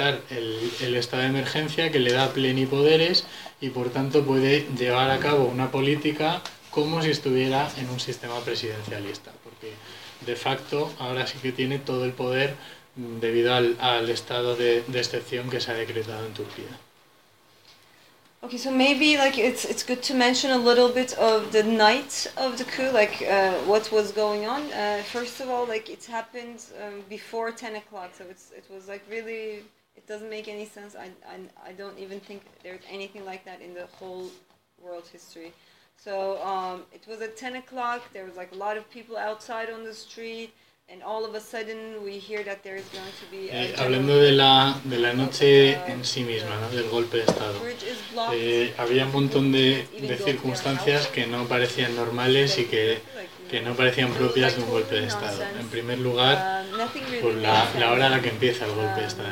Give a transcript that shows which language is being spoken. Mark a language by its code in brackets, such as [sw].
[es] el estado de emergencia, que le da plenipoderes, y por tanto puede llevar a cabo una política como si estuviera en un sistema presidencialista, porque de facto ahora sí que tiene todo el poder debido al estado de excepción que se ha decretado en Turquía. [en] Okay, so maybe like it's good to mention a little bit of the night of the coup, like what was going on. First of all, like it happened before 10 o'clock, so it was like really, it doesn't make any sense. I don't even think there's anything like that in the whole world history. So it was at 10 o'clock, there was like a lot of people outside on the street, and all of a sudden we hear that there is going to be a [es] hablando de la noche en sí misma, ¿no? Del golpe de Estado. Había un montón de circunstancias que no parecían normales y que no parecían propias de un golpe de Estado. En primer lugar, por la hora a la que empieza el golpe de Estado.